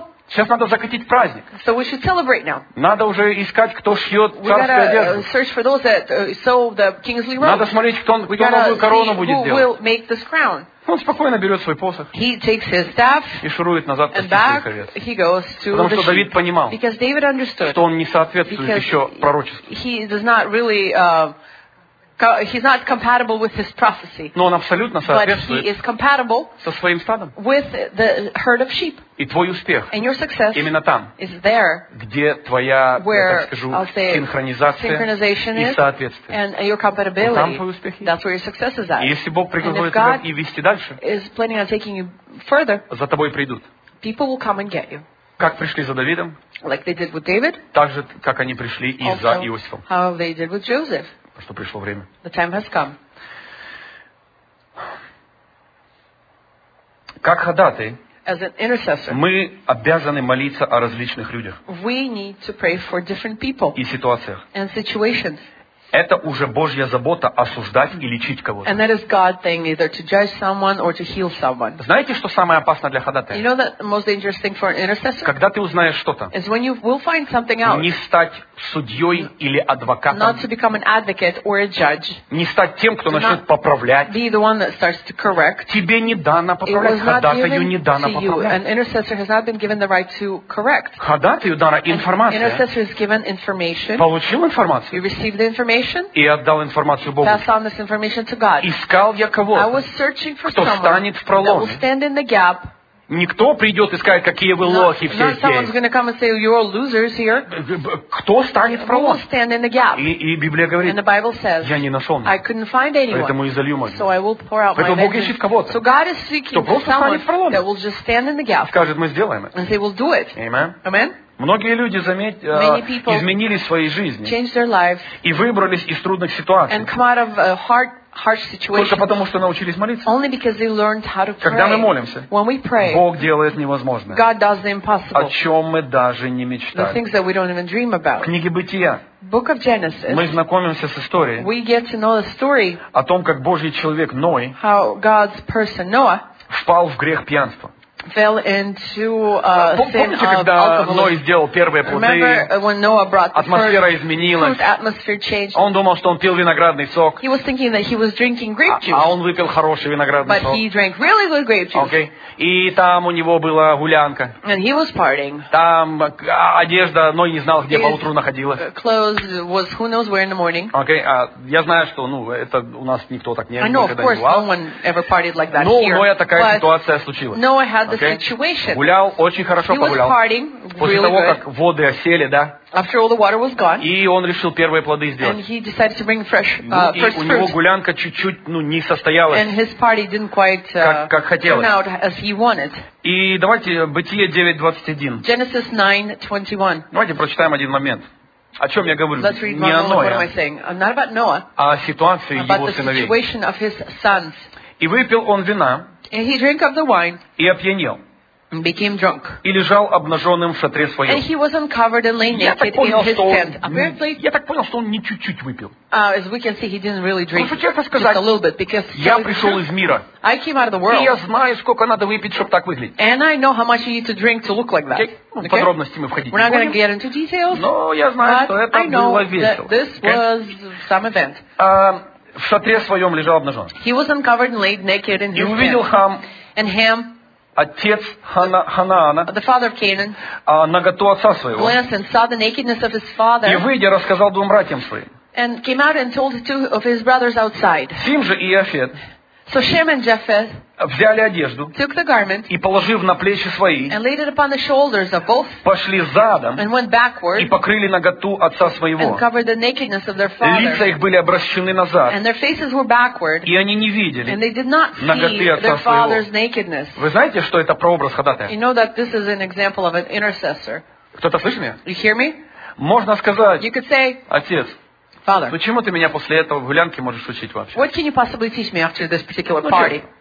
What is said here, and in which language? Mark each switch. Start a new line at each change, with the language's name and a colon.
Russian: Сейчас надо закатить праздник.
English: So we should celebrate now.
Russian: Надо уже искать, кто шьет царскую одежду.
English: Search for those that sew the kingly robe.
Russian: Надо смотреть, кто новую корону будет делать.
English: Who will make this crown?
Russian: Он спокойно берет свой посох.
English: He takes his staff.
Russian: И шурует назад по своих овец. Потому что Давид понимал,
English: because David understood,
Russian: что он не соответствует еще пророчеству.
English: He does not really, he's not compatible with his prophecy.
Russian: Но он абсолютно соответствует.
English: But he is compatible
Russian: со своим стадом.
English: With the herd of sheep.
Russian: И твой успех.
English: And your success
Russian: именно там.
English: Is there,
Russian: где твоя,
English: where,
Russian: я так скажу,
English: I'll say,
Russian: синхронизация
English: synchronization
Russian: и соответствие.
English: And your compatibility.
Russian: Вот там твой успех.
English: That's where your success is at.
Russian: И если Бог приготовит тебя и вести дальше,
English: is planning on taking you further,
Russian: за тобой придут.
English: People will come and get you.
Russian: Как пришли за Давидом?
English: Like they did with David.
Russian: Так же, как они пришли и
English: also,
Russian: за Иосифом.
English: How they did with Joseph.
Russian: Что пришло время.
English: The time has come.
Russian: Как ходатай,
English: as an intercessor,
Russian: мы обязаны молиться о различных людях
English: we need to pray for different people
Russian: и ситуациях.
English: And situations.
Russian: Это уже Божья забота осуждать и лечить кого-то.
English: And that is God's thing, either to judge someone or to heal someone.
Russian: Знаете, что самое опасное для ходатая?
English: You know the most dangerous thing for an intercessor?
Russian: Когда ты узнаешь что-то.
English: Is when you will find something out.
Russian: Не стать судьей или адвокатом.
English: Not to become an advocate or a judge.
Russian: Не стать тем, кто начнет поправлять.
English: Be the one that starts to correct.
Russian: Тебе не дано поправлять. Ходатаю не дано поправлять.
English: You. An intercessor has not been given the right to correct.
Russian: Ходатаю дана информация.
English: An intercessor is given information.
Russian: Получил информацию.
English: You received the information.
Russian: И отдал информацию Богу.
English: Pass on this information to God.
Russian: Искал я кого-то,
English: I was searching for
Russian: кто встанет в пролом. Никто придет и скажет, какие вы лохи все здесь. Кто станет в пролом? И Библия говорит,
English: and the Bible says,
Russian: я не нашел никого, поэтому и залью молитву. Поэтому Бог ищет кого-то,
English: so God is seeking
Russian: кто просто станет в пролом.
English: That will just stand in the gap.
Russian: Скажет, мы сделаем это.
English: And say, we'll do it. Amen.
Russian: Многие люди, заметь, изменили свои жизни и выбрались из трудных ситуаций
English: harsh
Russian: только потому, что научились молиться.
English: Only because they learned how to pray.
Russian: Когда мы молимся,
English: when we pray,
Russian: Бог делает невозможное,
English: God does the impossible,
Russian: о чем мы даже не мечтали.
English: The things that we don't even dream about.
Russian: Книги Бытия.
English: Book of Genesis.
Russian: Мы знакомимся с историей,
English: we get to know the story,
Russian: о том, как Божий человек Ной,
English: how God's person, Noah,
Russian: впал в грех пьянства.
English: Fell into sin. He was thinking that he was drinking grape juice.
Russian: А он выпил хороший виноградный сок.
English: But he drank really good grape juice. Okay.
Russian: И там у него была гулянка.
English: And he was partying.
Russian: Там одежда, но не знал, где поутру находилась.
English: His clothes was who knows where in the morning. Okay.
Russian: Я знаю, что, ну, это у нас никто так не бывал.
English: I know, of course, no one ever partied like that here.
Russian: Но такая ситуация случилась.
English: No, I had this. Situation.
Russian: Гулял, очень хорошо
English: he
Russian: погулял.
English: Partying,
Russian: после
English: really
Russian: того,
English: good.
Russian: Как воды осели, да?
English: After all the water was gone,
Russian: и он решил первые плоды сделать.
English: And he decided to bring fresh,
Russian: и
English: fresh
Russian: у него
English: fruit.
Russian: Гулянка чуть-чуть ну, не состоялась,
English: and his party didn't quite,
Russian: как хотелось.
English: Turn out as he wanted.
Russian: И давайте, Бытие 9.21.
English: Genesis 9.21.
Russian: Давайте прочитаем один момент. О чем я говорю?
English: Let's read
Russian: не о Ное,
English: not about Noah,
Russian: а о ситуации
English: about
Russian: его
English: the
Russian: сыновей.
English: Situation of his sons.
Russian: И выпил он вина,
English: and he drank of the wine,
Russian: и опьянел,
English: and became drunk,
Russian: и лежал обнаженным в шатре своем.
English: And he was uncovered and lay naked in his tent. Apparently,
Russian: я так понял, что он не чуть-чуть выпил.
English: As we can see, he didn't really drink.
Russian: Потому что, честно сказать,
English: just a little bit, because
Russian: я пришел из мира.
English: I came out of the world.
Russian: И я знаю, сколько надо выпить, чтобы так выглядеть.
English: And I know how much you need to drink to look like that. Okay? Okay?
Russian: Подробности мы входить
English: we're
Russian: не будем.
English: Not gonna get into details,
Russian: но я знаю,
English: but
Russian: что это
English: I know
Russian: было весело.
English: That this okay? was some event.
Russian: В шатре своем лежал обнажен.
English: He was uncovered and laid naked in his tent.
Russian: И увидел Хам.
English: And Ham.
Russian: Отец Ханаана.
English: The father of Canaan.
Russian: Наготу отца своего.
English: Glanced and saw the nakedness of his father.
Russian: И выйдя, рассказал двум братьям своим.
English: And came out and told two of his brothers outside.
Russian: Сим же и Иофет.
English: So Shem and Japheth.
Russian: Взяли одежду.
English: Took the garment.
Russian: И положив на плечи свои.
English: And laid it upon the shoulders of both.
Russian: Пошли задом.
English: And went backward.
Russian: И покрыли наготу отца своего.
English: And covered the nakedness of their father.
Russian: Лица их были обращены назад.
English: And their faces were backward.
Russian: И они не видели.
English: And they did not see
Russian: наготы отца
English: their father's
Russian: своего.
English: Nakedness.
Russian: Вы знаете, что это прообраз ходатая?
English: You know that this is an example of an intercessor.
Russian: Кто-то слышит меня?
English: You hear me?
Russian: Можно сказать.
English: You could say.
Russian: Отец.
English: Father.
Russian: Почему ты меня после этого гулянки можешь учить вообще?
English: What can you possibly teach me after this particular party?